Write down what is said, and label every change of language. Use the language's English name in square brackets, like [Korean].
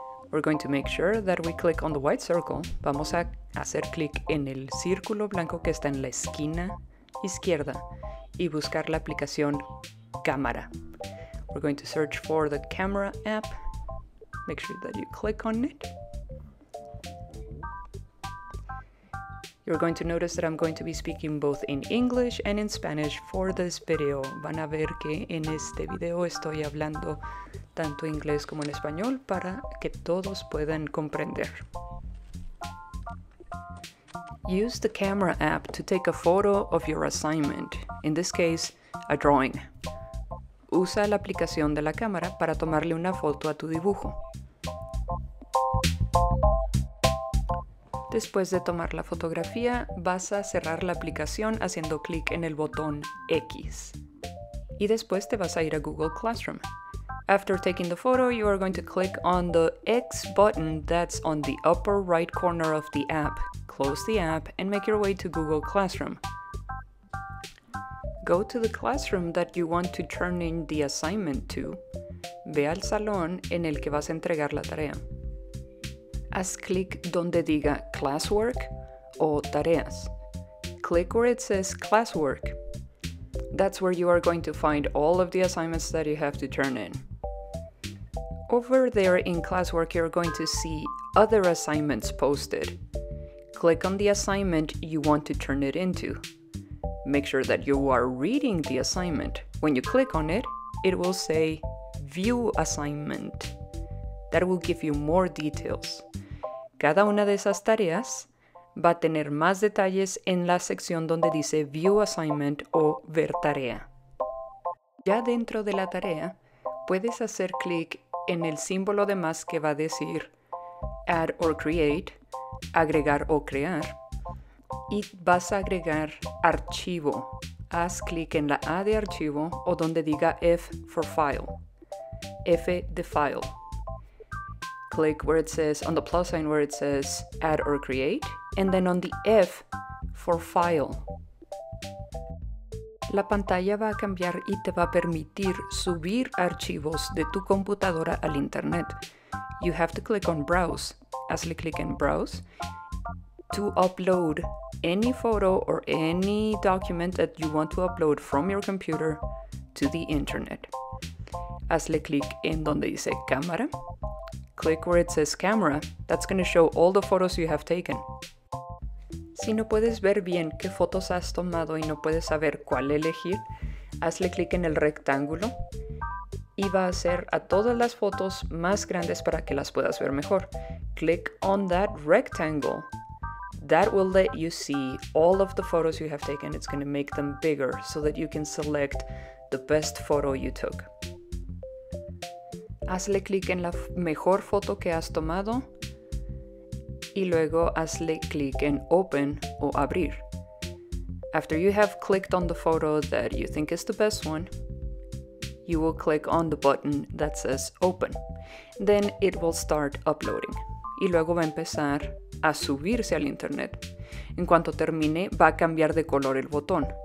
[English] We're going to make sure that we click on the white circle. [Spanish] Vamos a hacer clic en el círculo blanco que está en la esquina izquierda y buscar la aplicación cámara. [English] We're going to search for the camera app. Make sure that you click on it. You're going to notice that I'm going to be speaking both in English and in Spanish for this video. [Spanish] Van a ver que en este video estoy hablando tanto inglés como en español para que todos puedan comprender. [English] Use the camera app to take a photo of your assignment. In this case, a drawing. [Spanish] Usa la aplicación de la cámara para tomarle una foto a tu dibujo. Después de tomar la fotografía, vas a cerrar la aplicación haciendo clic en el botón X. Y después te vas a ir a Google Classroom. [English] After taking the photo, you are going to click on the X button that's on the upper right corner of the app. Close the app and make your way to Google Classroom. Go to the classroom that you want to turn in the assignment to. [Spanish] Ve al salón en el que vas a entregar la tarea. Haz clic donde diga Classwork o Tareas. [English] Click where it says Classwork. That's where you are going to find all of the assignments that you have to turn in. Over there in Classwork, you're going to see other assignments posted. Click on the assignment you want to turn it into. Make sure that you are reading the assignment. When you click on it, it will say View Assignment. That will give you more details. [Spanish] Cada una de esas tareas va a tener más detalles en la sección donde dice View Assignment o Ver Tarea. Ya dentro de la tarea, puedes hacer clic en el símbolo de más que va a decir Add or Create, Agregar o Crear, y vas a agregar Archivo. Haz clic en la A de Archivo o donde diga F for File. F de File. [English] Click where it says, on the plus sign where it says add or create, and then on the F for file. [Spanish] La pantalla va a cambiar y te va a permitir subir archivos de tu computadora al internet. [English] You have to click on browse. [Spanish] Hazle clic en [English] browse to upload any photo or any document that you want to upload from your computer to the internet. [Spanish] Hazle clic en donde dice cámara. [English] Click where it says camera. That's going to show all the photos you have taken. [Spanish] Si no puedes ver bien qué fotos has tomado y no puedes saber cuál elegir, hazle clic en el rectángulo y va a hacer a todas las fotos más grandes para que las puedas ver mejor. [English] Click on that rectangle. That will let you see all of the photos you have taken. It's going to make them bigger so that you can select the best photo you took. [Spanish] Hazle clic en la mejor foto que has tomado y luego hazle clic en Open o Abrir. [English] After you have clicked on the photo that you think is the best one, you will click on the button that says Open. Then it will start uploading. [Spanish] Y luego va a empezar a subirse al internet. En cuanto termine, va a cambiar de color el botón.